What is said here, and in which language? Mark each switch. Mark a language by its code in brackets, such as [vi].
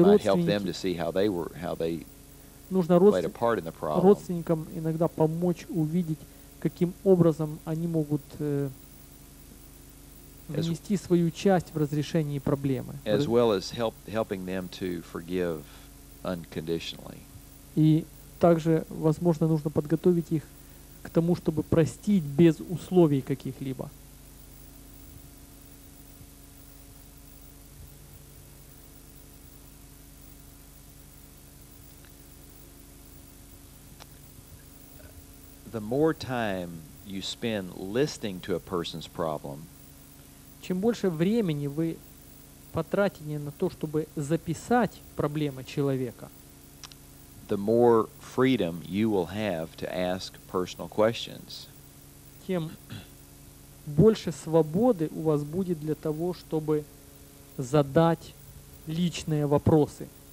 [en] might help them to see how they were how they [ru] Нужно родственникам иногда помочь увидеть, каким образом они могут внести свою часть в разрешение проблемы. [en] As well as helping them to forgive unconditionally. [ru] И также, возможно, нужно подготовить их к тому, чтобы простить без условий каких-либо. [en] The more time you spend listening to a person's problem, [ru] чем больше времени вы потратите на то, чтобы записать проблемы человека, [en] the more freedom you will have to ask personal questions. [ru] Тем больше свободы у вас будет для того, чтобы задать личные вопросы.